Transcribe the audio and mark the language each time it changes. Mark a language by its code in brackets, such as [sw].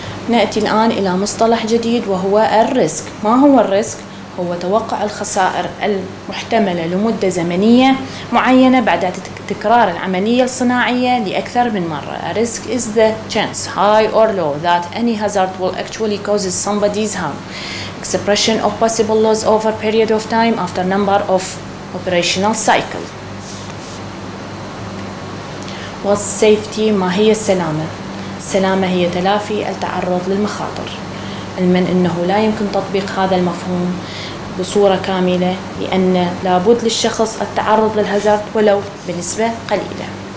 [ar] نأتي الآن إلى مصطلح جديد وهو الريسك. ما هو الريسك؟ هو توقع الخسائر المحتملة لمدة زمنية معينة بعد تكرار العملية الصناعية لأكثر من مرة. [en] A risk is the chance, high or low, that any hazard will actually cause somebody's harm. Expression of possible loss over period of time after number of operational cycle. What's safety? [ar] ما هي السلامة؟ السلامة هي تلافي التعرض للمخاطر، علما أنه لا يمكن تطبيق هذا المفهوم بصورة كاملة لأن لابد للشخص التعرض للهازارد ولو بنسبة قليلة.